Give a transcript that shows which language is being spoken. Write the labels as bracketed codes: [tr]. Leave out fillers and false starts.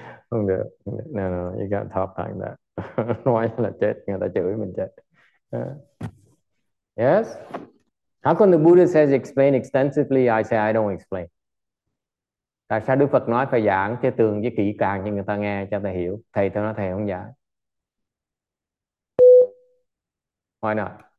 [vi] Không được. [en] No, you can't talk like that. [vi] Nói là chết, người ta chửi mình chết. [en] Yes? How come the Buddha says explain extensively, I say I don't explain? [vi] Tại sao Đức Phật nói phải giảng cho tường với kỹ càng cho người ta nghe cho ta hiểu? Thầy tôi nói thầy không giảng. [en] Why not?